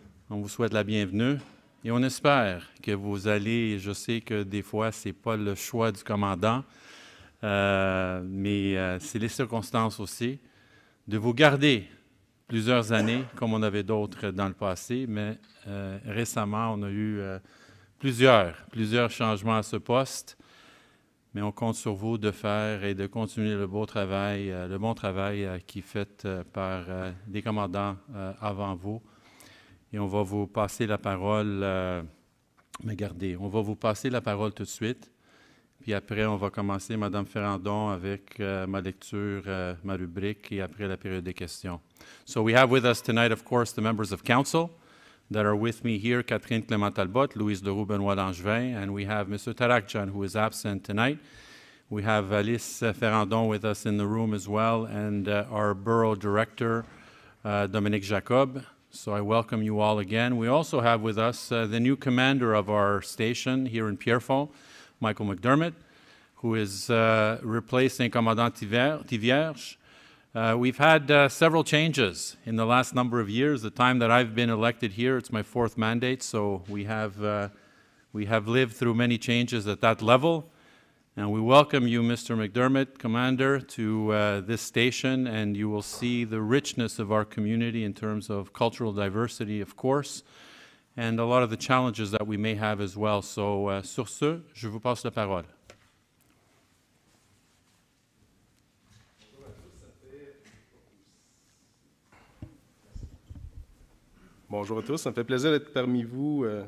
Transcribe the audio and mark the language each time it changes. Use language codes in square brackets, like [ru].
[fr] On vous souhaite la bienvenue. Et on espère que vous allez, je sais que des fois, ce n'est pas le choix du commandant, mais c'est les circonstances aussi, de vous garder plusieurs années, comme on avait d'autres dans le passé, mais récemment, on a eu plusieurs changements à ce poste, mais on compte sur vous de faire et de continuer le bon travail qui est fait par des commandants avant vous. Et on va vous passer la parole, on va vous passer la parole tout de suite. Puis après, on va commencer, Mme Ferrandon, avec ma lecture, ma rubrique, et après la période des questions. [en] So we have with us tonight, of course, the members of council that are with me here, Catherine Clément-Talbot, Louise Leroux, Benoît Langevin, and we have Mr. Tarakjan, who is absent tonight. We have Alice Ferrandon with us in the room as well, and our borough director, Dominique Jacob. So I welcome you all again. We also have with us the new commander of our station here in Pierrefonds, Michael McDermott, who is replacing Commandant Thivierge. We've had several changes in the last number of years. The time that I've been elected here, it's my fourth mandate, so we have lived through many changes at that level. And we welcome you, Mr. McDermott, Commander, to this station, and you will see the richness of our community in terms of cultural diversity, of course, and a lot of the challenges that we may have as well. So, [fr] sur ce, je vous passe la parole. Bonjour à tous, ça me fait plaisir d'être parmi vous.